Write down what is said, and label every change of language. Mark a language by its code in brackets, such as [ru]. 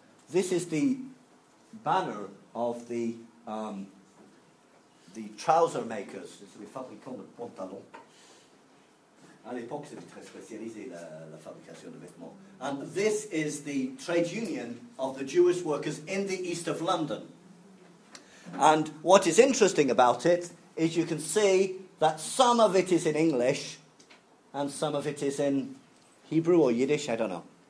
[en] This is the banner of the trouser makers. [fr] C'est les fabricants de pantalons. À l'époque, c'était très spécialisé la fabrication de vêtements. [en] And this is the trade union of the Jewish workers in the east of London. And what is interesting about it is you can see that some of it is in English and some of it is in Hebrew or Yiddish, I don't know.